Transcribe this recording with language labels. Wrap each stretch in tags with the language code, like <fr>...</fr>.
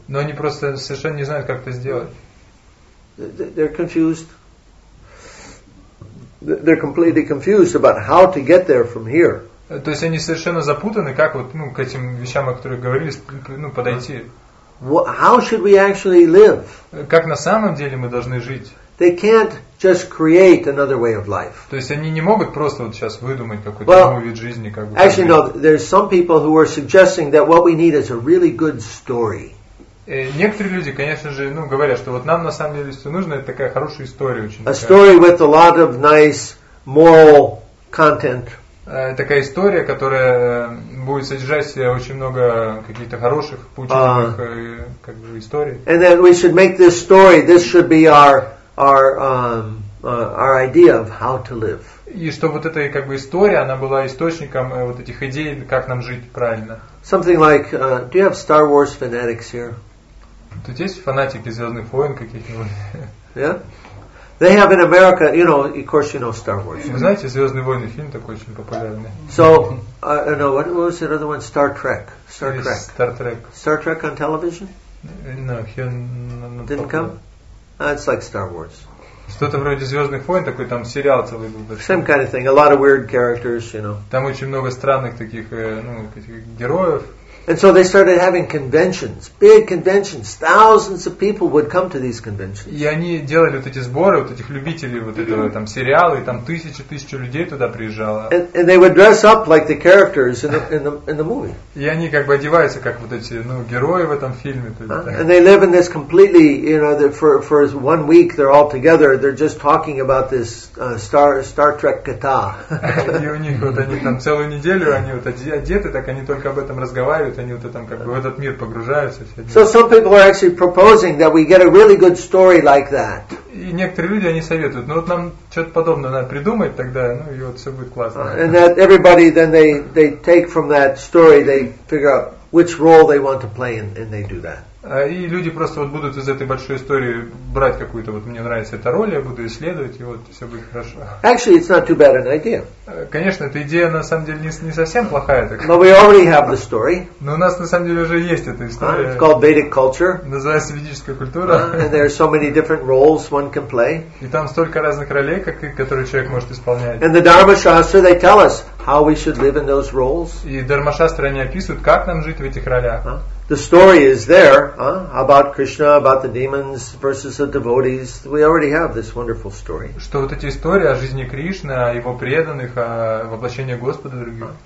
<ru>Но они просто совершенно не знают, как это сделать.</ru> <en>They're confused. They're completely confused about how to get there from here.</en> <ru>То есть они совершенно запутаны, как вот к этим вещам, о которых говорили, подойти.</ru> <en>How should we actually live?</en> <ru>Как на самом деле мы должны жить?</ru> <en>They can't just create another way of life.</en> <ru>То есть они не могут просто вот сейчас выдумать какой-то новый вид жизни, как бы.</ru> <en>Actually, no. There's some people who are suggesting that what we need is a really good story.</en> <ru>Некоторые люди, конечно же, говорят, что вот нам на самом деле все нужно, это такая хорошая история очень.</ru> <en>A story with a lot of nice moral content.</en> <ru>Такая история, которая будет содержать в себе очень много каких-то хороших, поучительных историй.</ru> <en>And then we should make this story, this should be our idea of how to live.</en> <ru>И что вот эта история, она была источником вот этих идей, как нам жить правильно.</ru> <en>Something like, do you have Star Wars fanatics here?</en> <ru>Тут есть фанатики «Звездных войн» каких-нибудь?</ru> <en>Yeah? They have in America, of course Star Wars.</en> <ru>Вы знаете, «Звездные войны» фильм такой очень популярный.</ru> <en>So, I don't know, what was the other one? Star Trek. Star Trek on television? No, here on the Didn't come? It's like Star Wars.</en> <ru>Что-то вроде «Звездных войн», такой там сериал целый был.</ru> <en>Same kind of thing, a lot of weird characters, you know.</en> <ru>Там очень много странных таких, героев.</ru> <en>And so they started having conventions, big conventions. Thousands of people would come to these conventions.</en> <ru>И они делали вот эти сборы, вот этих любителей вот этого там сериала, и там тысячи людей туда приезжало.</ru> <en>And they would dress up like the characters in the movie.</en> <ru>И они как бы одеваются как вот эти герои в этом фильме.</ru> <en>And they live in this completely, for one week they're all together. They're just talking about this Star Trek кота.</en> <ru>И у них вот они там целую неделю они вот одеты, так они только об этом разговаривают. Они вот там как бы в этот мир погружаются.</ru> <en>So some people are actually proposing that we get a really good story like that.</en> <ru>И некоторые люди они советуют, вот нам что-то подобное надо придумать тогда, и вот все будет классно.</ru> <en>And that everybody then they take from that story, they figure out which role they want to play and they do that.</en> <ru>И люди просто вот будут из этой большой истории брать какую-то вот мне нравится эта роль, я буду исследовать, и вот все будет хорошо.</ru> <en>Actually, it's not too bad an idea.</en> <ru>Конечно, эта идея на самом деле не совсем плохая. Так.</ru> <en>But we already have the story.</en> <ru>Но у нас на самом деле уже есть эта история.</ru> <en>It's called Vedic culture.</en> <ru>Называется ведическая культура.</ru> <en>And there are so many different roles one can play.</en> <ru>И там столько разных ролей, которые человек может исполнять.</ru> <en>And the Dharma Shastra, they tell us how we should live in those roles.</en> <ru>И Дарма Шастры они описывают, как нам жить в этих ролях.</ru> <en>The story is there, about Krishna, about the demons versus the devotees. We already have this wonderful story.</en> <ru>Что вот эти истории о жизни Кришны, о его преданных, о воплощении Господа других.</ru>